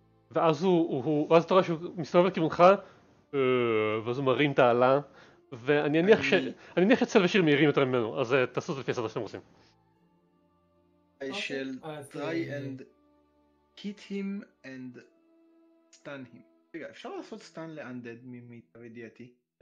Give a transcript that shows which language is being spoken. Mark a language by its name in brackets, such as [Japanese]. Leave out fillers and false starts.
[Hebrew] ואז ואז אתה רואה שהוא מסתובב לכיוונך ואז הוא מרים תעלה, ואני אניח שצל ושיר מהירים יותר ממנו, אז תעשו את זה לפי הסדר שאתם רוצים. [English] I shall try and hit him and stun him. [Hebrew] רגע, אפשר לעשות stun לאנדד ממיטב ידיעתי?